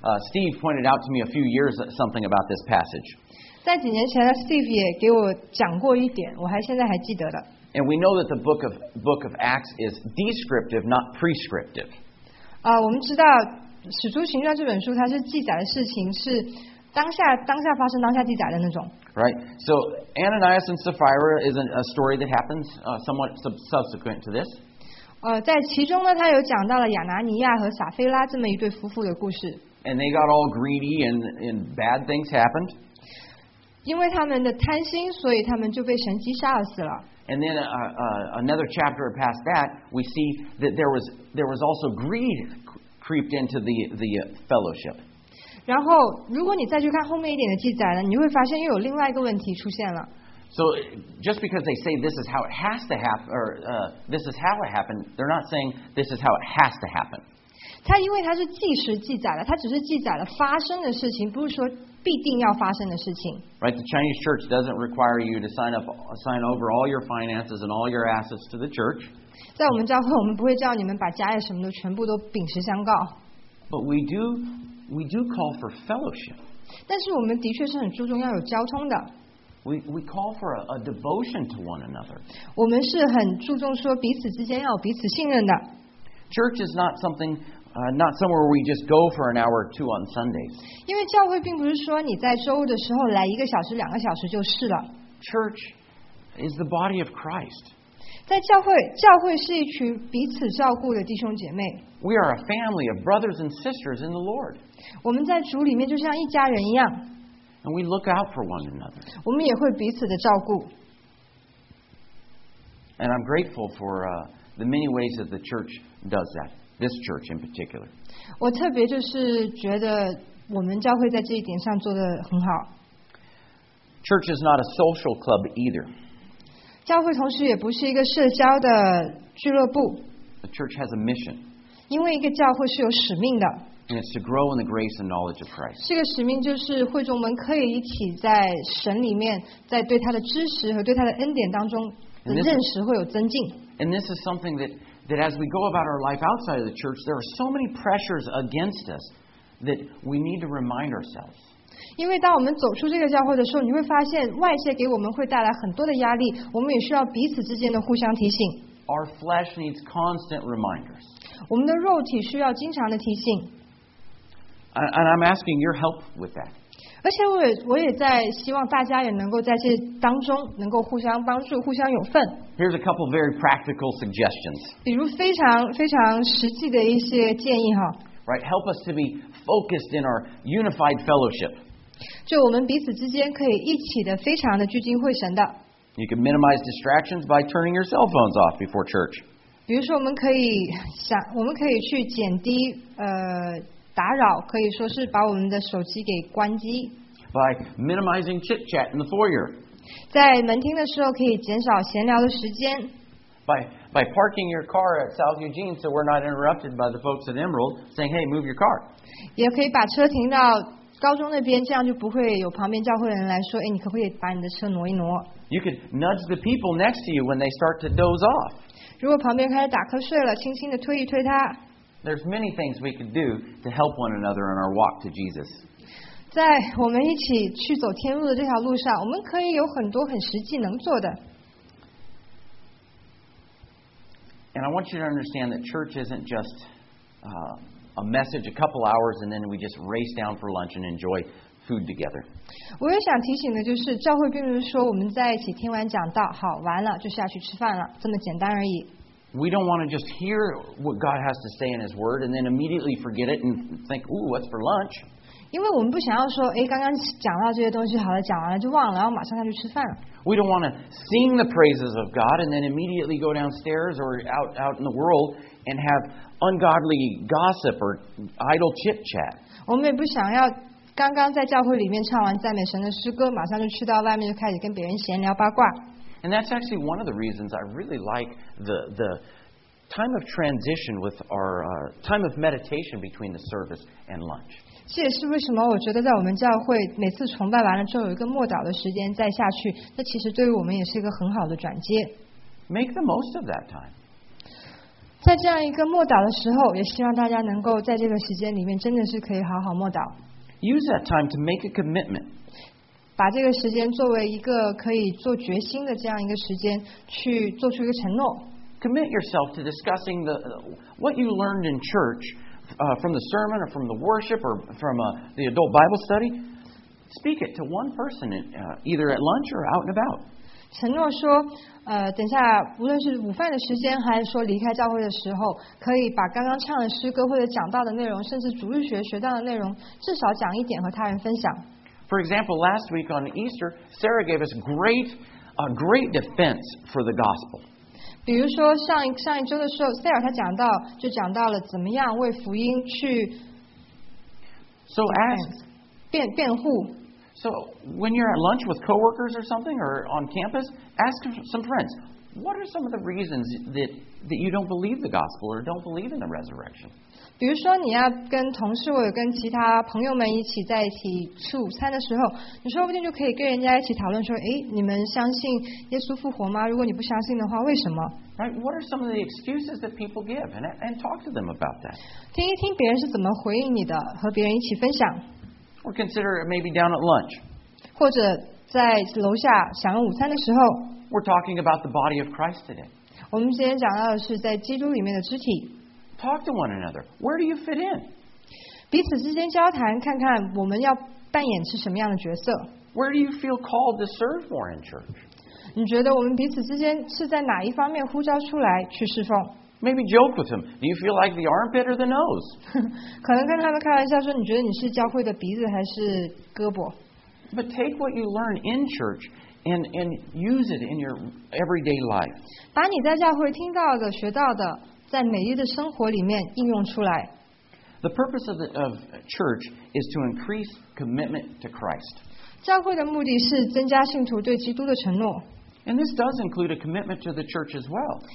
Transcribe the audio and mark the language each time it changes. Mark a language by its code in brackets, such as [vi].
[en] Steve pointed out to me a few years something about this passage. [zh] 在几年前 ，Steve 也给我讲过一点，我还现在还记得的。 [en] And we know that the book of Acts is descriptive, not prescriptive. [zh] 我们知道。使徒行传这本书，它是记载的事情是当下发生当下记载的那种。 [en] Right, so Ananias and Sapphira is a story that happens somewhat subsequent to this. [zh] 在其中呢，他有讲到了亚拿尼亚和撒菲拉这么一对夫妇的故事。 [en] And they got all greedy and bad things happened. [zh] 因为他们的贪心，所以他们就被神击杀了死了。 [en] And then another chapter past that, we see that there was also greed. Creeped into the fellowship. [zh] 然后，如果你再去看后面一点的记载呢，你会发现又有另外一个问题出现了。 [en] So just because they say this is how it has to happen, or this is how it happened, they're not saying this is how it has to happen. [zh] 它因为它是即时记载的，它只是记载了发生的事情，不是说必定要发生的事情。 [en] Right, the Chinese church doesn't require you to sign over all your finances and all your assets to the church. [zh] 在我们教会，我们不会叫你们把家业什么的全部都秉持相告。 [en] But we do call for fellowship. [zh] 但是我们的确是很注重要有交通的。 [en] We call for a devotion to one another. [zh] 我们是很注重说彼此之间要彼此信任的。 [en] Church is not something, not somewhere we just go for an hour or two on Sundays. [zh] 因为教会并不是说你在周五的时候来一个小时、两个小时就是了。 [en] Church is the body of Christ. [zh] 在教会是一群彼此照顾的弟兄姐妹。 [en] We are a family of brothers and sisters in the Lord. [zh] 我们在主里面就像一家人一样。 [en] And we look out for one another. [zh] 我们也会彼此的照顾。 [en] And I'm grateful for the many ways that the church does that. This church in particular. [zh] 我特别就是觉得我们教会在这一点上做得很好。 [en] Church is not a social club either. [zh] 教会同时也不是一个社交的俱乐部。 [en] The church has a mission. [zh] 因为一个教会是有使命的。 [en] And it's to grow in the grace and knowledge of Christ. [zh] 这个使命就是会众们可以一起在神里面，在对他的知识和对他的恩典当中的认识会有增进。 [en] And this is something that as we go about our life outside of the church, there are so many pressures against us that we need to remind ourselves. [zh] 因为当我们走出这个教会的时候，你会发现外界给我们会带来很多的压力，我们也需要彼此之间的互相提醒。 [en] our flesh needs constant reminders. [zh] 我们的肉体需要经常的提醒。 [en] And I'm asking your help with that. [zh] 而且我也在希望大家也能够在这当中能够互相帮助，互相有份。 [en] Here's a couple of very practical suggestions. [zh] 比如非常非常实际的一些建议哈。 [en] Right, help us to be focused in our unified fellowship. [zh] 就我们彼此之间可以一起的非常的聚精会神的。 [en] You can minimize distractions by turning your cell phones off before church. [zh] 比如说我们可以去减低打扰，可以说是把我们的手机给关机。 [en] By minimizing chit-chat in the foyer. [zh] 在门厅的时候可以减少闲聊的时间。 [en] By parking your car at South Eugene so we're not interrupted by the folks at Emerald saying, hey, move your car. [zh] 也可以把车停到高中那边，这样就不会有旁边教会的人来说，哎，你可不可以把你的车挪一挪？ [en] You could nudge the people next to you when they start to doze off. [zh] 如果旁边开始打瞌睡了，轻轻地推一推他。 [en] There's many things we could do to help one another in our walk to Jesus. [zh] 在我们一起去走天路的这条路上，我们可以有很多很实际能做的。 [en] And I want you to understand that church isn't just a message a couple hours and then we just race down for lunch and enjoy food together. [zh] 我也想提醒的就是教会并不是说我们在一起听完讲道好完了就下去吃饭了这么简单而已。 [en] We don't want to just hear what God has to say in his word and then immediately forget it and think, ooh, what's for lunch? [zh] 因为我们不想要说哎，刚刚讲到这些东西好了讲完了就忘了然后马上下去吃饭了。 [en] We don't want to sing the praises of God and then immediately go downstairs or out in the world and have ungodly gossip or idle chit-chat. [zh] 我们也不想要刚刚在教会里面唱完赞美神的诗歌马上就去到外面就开始跟别人闲聊八卦。 [en] And that's actually one of the reasons I really like the time of transition with our time of meditation between the service and lunch. [zh] 这也是为什么我觉得在我们教会每次崇拜完了之后有一个默祷的时间再下去那其实对于我们也是一个很好的转接。 [en] Make the most of that time. [zh] 在这样一个默祷的时候也希望大家能够在这个时间里面真的是可以好好默祷。 [en] Use that time to make a commitment. [zh] 把这个时间作为一个可以做决心的这样一个时间去做出一个承诺。 [en] Commit yourself to discussing what you learned in church from the sermon or from the worship or from the adult Bible study. Speak it to one person either at lunch or out and about. [zh] 承诺说等下无论是午饭的时间还是说离开教会的时候可以把刚刚唱的诗歌或者讲到的内容甚至主日学学到的内容至少讲一点和他人分享。 [en] For example, last week on Easter, Sarah gave us great defense for the gospel. [zh] 比如说上一周的时候 Sarah 他讲到了怎么样为福音去 [en] So as [zh] 辩护 [en] So when you're at lunch with coworkers or something or on campus ask some friends what are some of the reasons that you don't believe the gospel or don't believe in the resurrection [zh] 比如说你要跟同事或者跟其他朋友们一起在一起吃午餐的时候你说不定就可以跟人家一起讨论说哎，你们相信耶稣复活吗如果你不相信的话为什么 [en] Right, what are some of the excuses that people give and talk to them about that [zh] 听一听别人是怎么回应你的和别人一起分享 [en] or consider it maybe down at lunch [zh] 或者在楼下享用午餐的时候 [en] we're talking about the body of Christ today [zh] 我们今天讲到的是在基督里面的肢体 [en] Talk to one another. Where do you fit in? [zh] 彼此之间交谈，看看我们要扮演是什么样的角色。 [en] Where do you feel called to serve more in church? [zh] 你觉得我们彼此之间是在哪一方面呼召出来去侍奉？ [en] Maybe joke with them. Do you feel like the armpit or the nose? [zh] 可能跟他们开玩笑说，你觉得你是教会的鼻子还是胳膊？ [en] But take what you learn in church. And use it in your everyday life. [zh] 把你在教会听到的、学到的，在每日的生活里面应用出来。 [en] The purpose of church is to increase commitment to Christ. [zh] 教会的目的是增加信徒对基督的承诺。 [en] And this does include a commitment to the church as well.